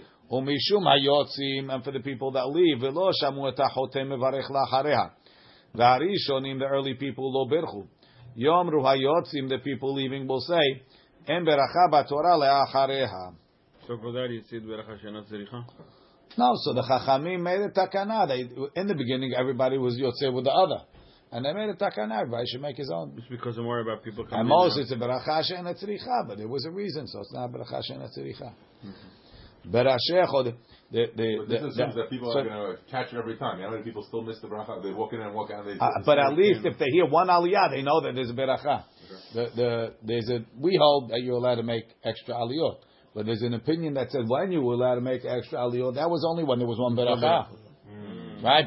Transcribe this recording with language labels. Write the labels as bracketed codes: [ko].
[he] ומשום היוצים, [en] and for the people that leave, [he] ולא שמעו את החותם מברך לאחריה. והראשונים, [en] the early people, [he] לא ברכו. יאמרו היוצים, [en] the people leaving, will say, [he] אין ברכה בתורה לאחריה. [en] So for that, you said [he] ברכה שאינה צריכה? [en] No, so the חכמים made a takana. In the beginning, everybody was יוצא with the other. And they made a takana, everybody should make his own. It's because I'm worried about people coming. And most it's a [he] ברכה שאינה צריכה, [en] but there was a reason, so it's not ברכה שאינה צריכה. But this assumes that people are going to catch every time. How many people still miss the bracha? They walk in and walk out. But at least if they hear one aliyah, they know that there's a bracha. We hold that you're allowed to make extra aliyot. But there's an opinion that said when you were allowed to make extra aliyot, that was only when there was one bracha. Mm. Right?